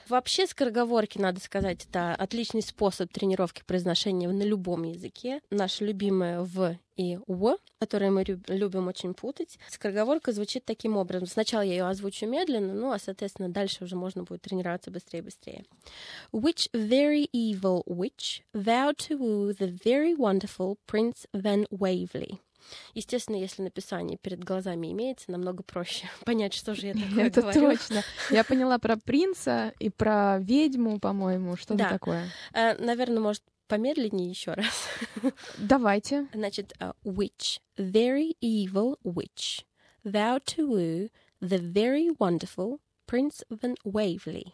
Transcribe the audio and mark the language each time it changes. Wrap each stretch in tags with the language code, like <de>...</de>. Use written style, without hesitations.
<ru>Вообще скороговорки, надо сказать, это отличный способ тренировки произношения на любом языке. Наше любимое «в» и «у», которые мы любим очень путать. Скороговорка звучит таким образом. Сначала я ее озвучу медленно, ну, а, соответственно, дальше уже можно будет тренироваться быстрее и быстрее.</ru> <en>Which very evil witch vowed to woo the very wonderful Prince Van Waverley?</en> <ru>Естественно, если написание перед глазами имеется, намного проще понять, что же я такое говорю. Это точно. Я поняла про принца и про ведьму, по-моему, что-то да. такое. Наверное, может, помедленнее еще раз? Давайте. Значит,</ru> <en>witch, very evil witch, vow to woo the very wonderful Prince Van Waverley.</en>